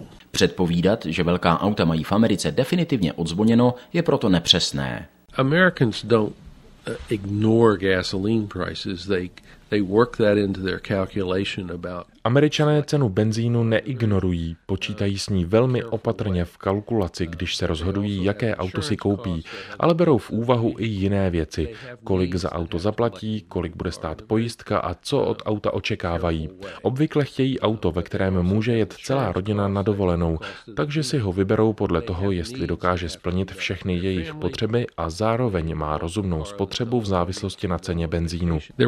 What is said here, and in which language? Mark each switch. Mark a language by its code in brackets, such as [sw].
[cs] Předpovídat, že velká auta mají v Americe definitivně odzvoněno, je proto nepřesné. [en] Americans don't ignore gasoline prices. They work that into their calculation about. [cs] Američané cenu benzínu neignorují, počítají s ní velmi opatrně v kalkulaci, když se rozhodují, jaké auto si koupí, ale berou v úvahu i jiné věci, kolik za auto zaplatí, kolik bude stát pojistka a co od auta očekávají. Obvykle chtějí auto, ve kterém může jet celá rodina na dovolenou, takže si ho vyberou podle toho, jestli dokáže splnit všechny jejich potřeby a zároveň má rozumnou spotřebu v závislosti na ceně benzínu.